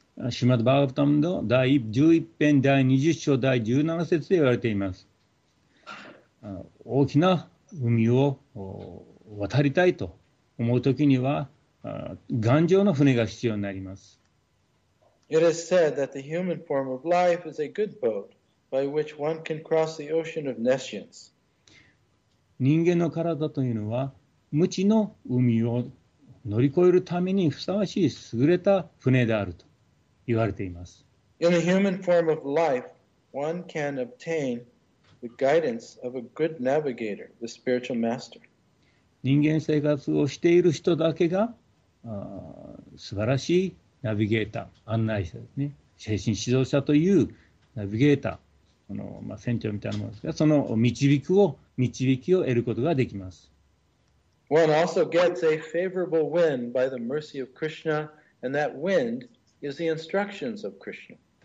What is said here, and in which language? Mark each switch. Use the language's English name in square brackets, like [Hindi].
[Japanese] Srimad Bhagavatam の第11編第20章第17節で言われています。大きな海を渡りたいと思うときには、頑丈な船が必要になります。 [English] It is said that the human form of life is a good boat by which one can cross the ocean of nescience. [Japanese] 人間の体というのは無知の海を乗り越えるためにふさわしい優れた船であると言われています。 [English] In the human form of life, one can obtain the guidance of a good navigator, the spiritual master. [Japanese] 人間生活をしている人だけが素晴らしいナビゲーター、案内者ですね。精神指導者というナビゲーター、船長みたいなものですが、その導きを得ることができます。 [English] One also gets a favorable wind by the mercy of Krishna, and that wind is the instructions of Krishna.